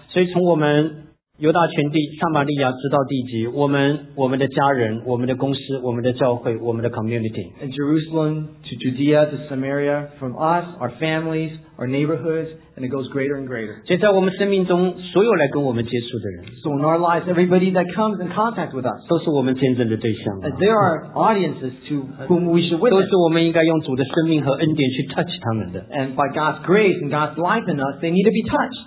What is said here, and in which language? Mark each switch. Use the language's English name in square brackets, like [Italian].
[Chinese] 所以从我们犹大全地、撒玛利亚直到地极，我们的家人、我们的公司、我们的教会、我们的 community. [English] In Jerusalem to Judea to Samaria, from us, our families, our neighborhoods, and it goes greater and greater. [Chinese] 就在我们生命中所有来跟我们接触的人。 [English] So in our lives, everybody that comes in contact with us, [Chinese] 都是我们见证的对象。 [English] And there are audiences to whom we should witness. [Chinese] 都是我们应该用主的生命和恩典去 touch 他们的。 [English] And by God's grace and God's life in us, they need to be touched.